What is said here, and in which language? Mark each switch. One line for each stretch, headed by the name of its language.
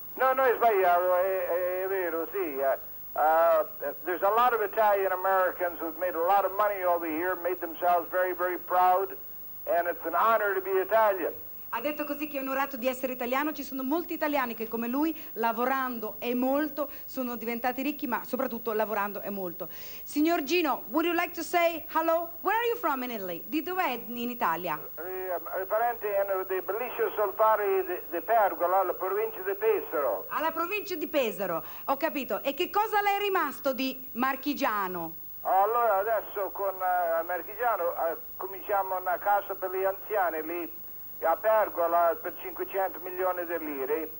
Italian: No, è sbagliato, è vero, sì.
English: There's a lot of Italian Americans who've made a lot of money over here, made themselves very, very proud. And it's an honor to be Italian.
Italian: Ha detto così che è onorato di essere italiano. Ci sono molti italiani che come lui, lavorando e molto, sono diventati ricchi, ma soprattutto lavorando e molto.
English: Signor Gino, would you like to say hello? Where are you from in Italy?
Italian: Di dove è in Italia? Parente di Bellicio Solfari di Pergola, alla provincia di Pesaro. Alla provincia di Pesaro, ho capito. E che cosa le è rimasto di marchigiano? Allora adesso con marchigiano cominciamo una casa per gli anziani lì a Pergola per 500 milioni di lire.